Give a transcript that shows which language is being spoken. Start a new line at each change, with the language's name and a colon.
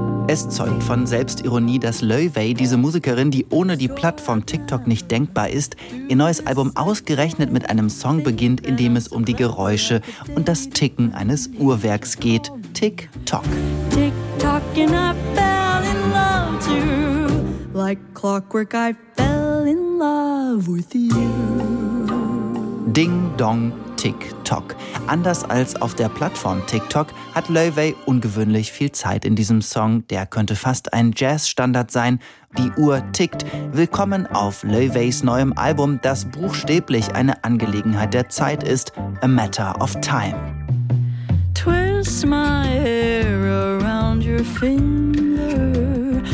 German: Es zeugt von Selbstironie, dass Lui Wei, diese Musikerin, die ohne die Plattform TikTok nicht denkbar ist, ihr neues Album ausgerechnet mit einem Song beginnt, in dem es um die Geräusche und das Ticken eines Uhrwerks geht.
English: TikTok. TikTok and I fell in love too. Like clockwork I fell in love with you. Ding dong. TikTok.
German: Anders als auf der Plattform TikTok hat Lui Wei ungewöhnlich viel Zeit in diesem Song. Der könnte fast ein Jazzstandard sein. Die Uhr tickt. Willkommen auf Lui Weis neuem Album, das buchstäblich eine Angelegenheit der Zeit ist.
English: A Matter of Time. Twist my hair around your finger.